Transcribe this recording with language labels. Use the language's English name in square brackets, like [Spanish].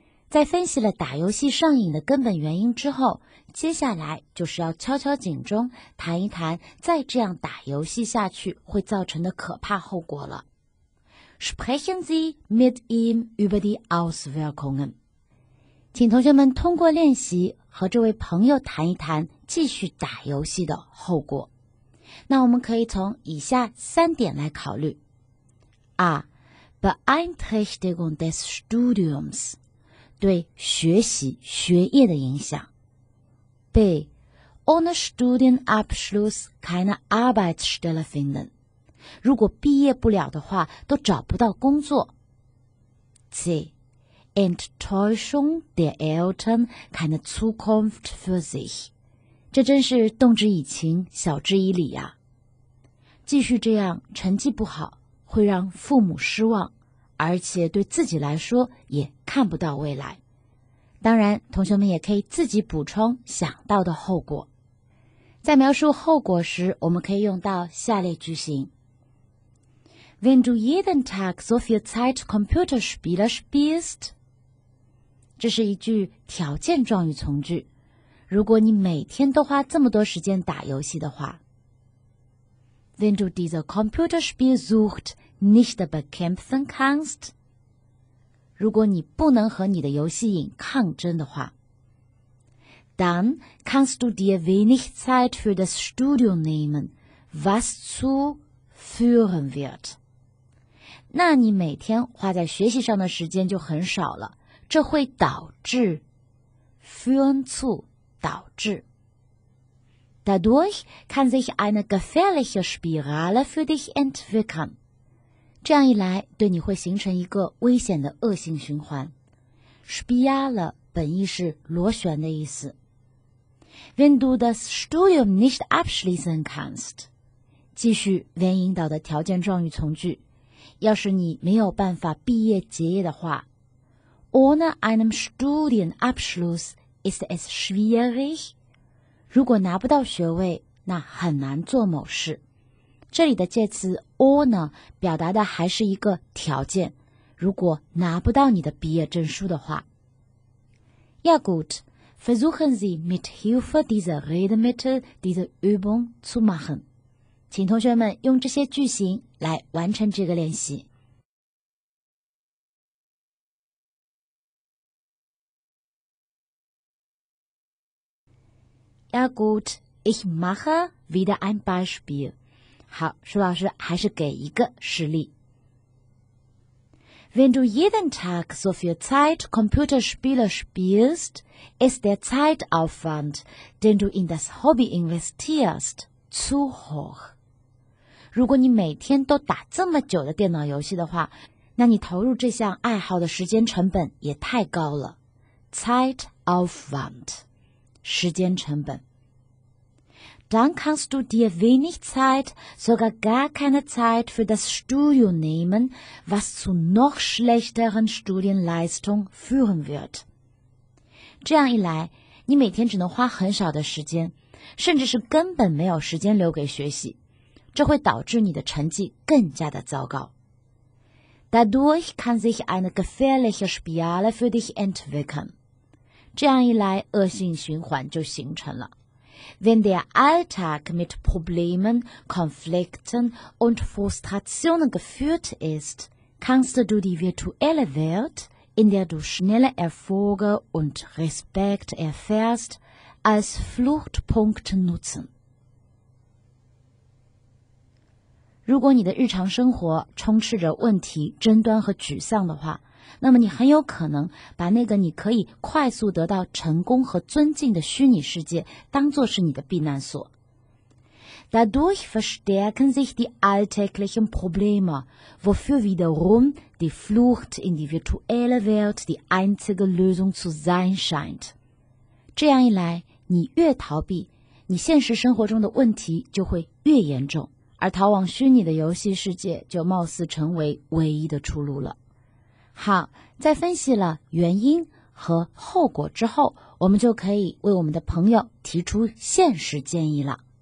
[Chinese] 在分析了打游戏上瘾的根本原因之后，接下来就是要敲敲警钟，谈一谈再这样打游戏下去会造成的可怕后果了。 [German] Sprechen Sie mit ihm über die Auswirkungen. [Chinese] 请同学们通过练习和这位朋友谈一谈继续打游戏的后果。那我们可以从以下三点来考虑。 A. [German] Beeinträchtigung des Studiums. [Chinese] 对学习学业的影响。B. [German] Ohne Studienabschluss keine Arbeitsstelle finden. [Chinese] 如果毕业不了的话都找不到工作。 C. [German] Enttäuschung der Eltern keine Zukunft für sich. [Chinese] 这真是动之以情晓之以理啊。继续这样成绩不好会让父母失望，而且对自己来说也看不到未来。当然，同学们也可以自己补充想到的后果。在描述后果时，我们可以用到下列句型。 [German] Wenn du jeden Tag so viel Zeit Computerspiele spielst, [Chinese] 这是一句条件状语从句。如果你每天都花这么多时间打游戏的话。 [German] Wenn du diese Computerspielsucht nicht bekämpfen kannst, [Chinese] 如果你不能和你的游戏瘾抗争的话 [German] dann kannst du dir wenig Zeit für das Studium nehmen, was zu führen wird. [Chinese] 那你每天花在学习上的时间就很少了，这会导致 führen zu 导致。 [German] Dadurch kann sich eine gefährliche Spirale für dich entwickeln. [Chinese] 这样一来，对你会形成一个危险的恶性循环。 Spirale 本意是螺旋的意思。 [German] Wenn du das Studium nicht abschließen kannst, [Chinese] 继续 wenn 引导的条件状语从句，要是你没有办法毕业结业的话 , [German] ohne einem Studienabschluss ist es schwierig, [Chinese] 如果拿不到学位，那很难做某事。这里的介词 or 呢，表达的还是一个条件。如果拿不到你的毕业证书的话。 [German] Ja gut, versuchen Sie mit Hilfe dieser Redemittel diese Übung zu machen. [Chinese] 请同学们用这些句型来完成这个练习。 [German] Ja gut, ich mache wieder ein Beispiel. [Chinese] 好，舒老师还是给一个实例。 [German] Wenn du jeden Tag so viel Zeit Computerspiele spielst, ist der Zeitaufwand, den du in das Hobby investierst, zu hoch. [Chinese] 如果你每天都打这么久的电脑游戏的话，那你投入这项爱好的时间成本也太高了。 Zeitaufwand. 时间成本。 [German] Dann kannst du dir wenig Zeit, sogar gar keine Zeit für das Studium nehmen, was zu noch schlechteren Studienleistung führen wird. [Chinese] 这样一来，你每天只能花很少的时间，甚至是根本没有时间留给学习，这会导致你的成绩更加的糟糕。 [German] Dadurch kann sich eine gefährliche Spirale für dich entwickeln. [Chinese] 这样一来，恶性循环就形成了。 [German] Wenn der Alltag mit Problemen, Konflikten und Frustrationen geführt ist, kannst du die virtuelle Welt, in der du schnelle Erfolge und Respekt erfährst, als Fluchtpunkt nutzen. [Chinese] 如果你的日常生活充斥着问题、争端和沮丧的话，那么你很有可能把那个你可以快速得到成功和尊敬的虚拟世界当作是你的避难所。 [German] Dadurch verstärken sich die alltäglichen Probleme, wofür wiederum die Flucht in die virtuelle Welt die einzige Lösung zu sein scheint. [Chinese] 这样一来，你越逃避，你现实生活中的问题就会越严重，而逃往虚拟的游戏世界就貌似成为唯一的出路了。好，在分析了原因和后果之后，我们就可以为我们的朋友提出现实建议了。